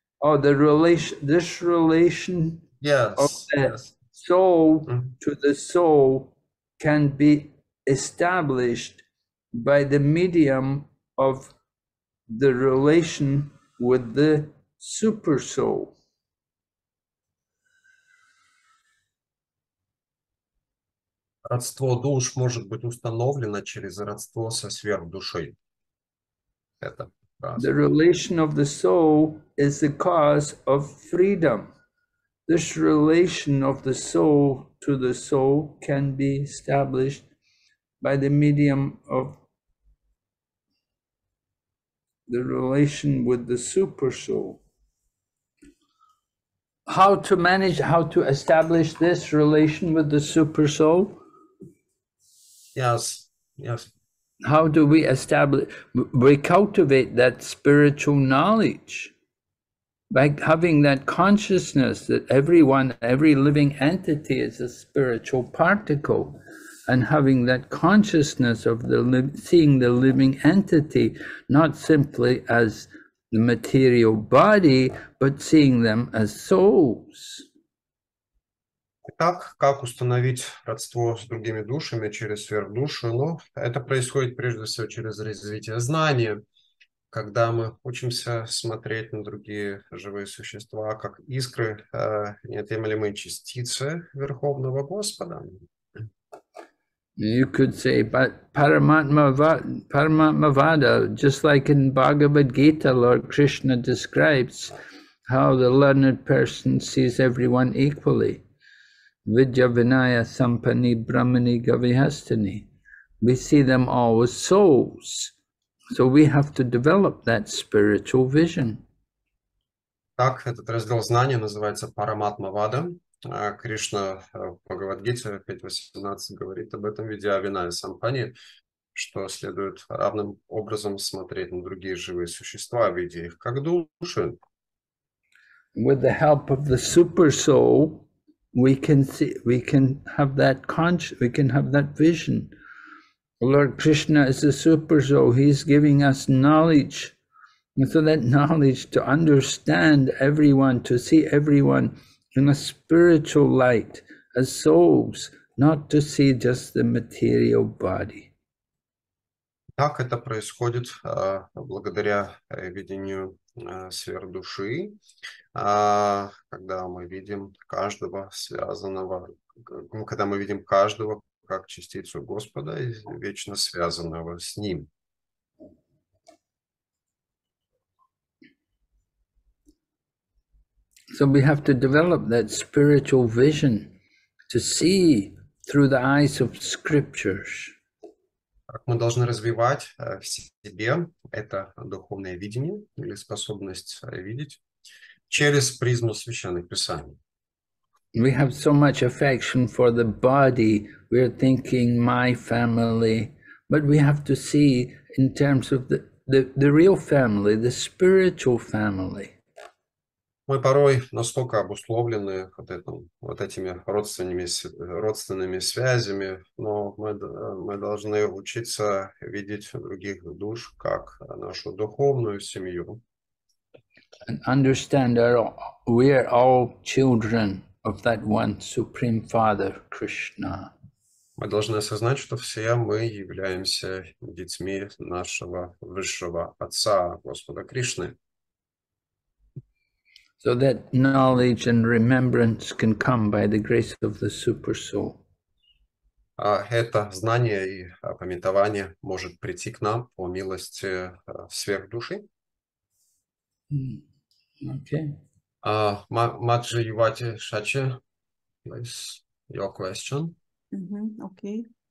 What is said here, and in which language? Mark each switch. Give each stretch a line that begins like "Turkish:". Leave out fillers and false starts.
English: Oh, the relation, this relation of the soul to the soul can be established by the medium of the relation with the super soul.
Russian: Родство душ может быть установлено через родство со сверхдушой. Это раз.
English: The relation of the soul is the cause of freedom. This relation of the soul to the soul can be established by the medium of the relation with the super soul. How to manage, how to establish this relation with the super soul? Yes, yes. How do we establish, we cultivate that spiritual knowledge by having that consciousness that everyone, every living entity is a spiritual particle, and having that consciousness of the seeing the living entity, not simply as the material body, but seeing them as souls.
Russian: Так, как установить родство с другими душами через сверхдушу? Ну, это происходит прежде всего через развитие знания, когда мы учимся смотреть на другие живые существа как искры, неотъемлемые частицы Верховного Господа.
English: You could say, but Paramatmavada, just like in Bhagavad Gita, Lord Krishna describes how the learned person sees everyone equally.
Sanskrit: Vidya Vinaya Sampani Brahmani Gavihastani.
English: We see them all as souls. So we have to develop that spiritual vision.
Russian: Так этот раздел знания называется Параматмавада. Кришна в Бхагавадгите 5.18 говорит об этом
Sanskrit: Vidya Vinaya Sampani,
Russian: что следует равным образом смотреть на другие живые существа, видя их как души.
English: With the help of the super soul, we can see, we can have that conscious, we can have that vision. Lord Krishna is a super soul, he's giving us knowledge. And so that knowledge to understand everyone, to see everyone in a spiritual light, as souls, not to see just the material body.
Russian: Так это происходит благодаря видению сверхдуши, когда мы видим каждого связанного, когда мы видим каждого как частицу Господа и вечно связанного с Ним.
English: So we have to develop that spiritual vision to see through the eyes of scriptures.
Russian: Как мы должны развивать в себе это духовное видение или способность видеть через призму священных писаний.
English: We have so much affection for the body, we are thinking my family, but we have to see in terms of the real family, the spiritual family.
Russian: Мы порой настолько обусловлены вот, этим, вот этими родственными, родственными связями, но мы должны учиться видеть других душ как нашу духовную семью.
English: And understand that we are all children of that one Supreme Father, Krishna.
Russian: Мы должны осознать, что все мы являемся детьми нашего высшего отца, Господа Кришны.
English: So that knowledge and remembrance can come by the grace of the super soul.
Russian: Это знание и памятование может прийти к нам по милости сверхдуши.
English: Okay. Маджи Ювати Шачи, please, your question. Okay.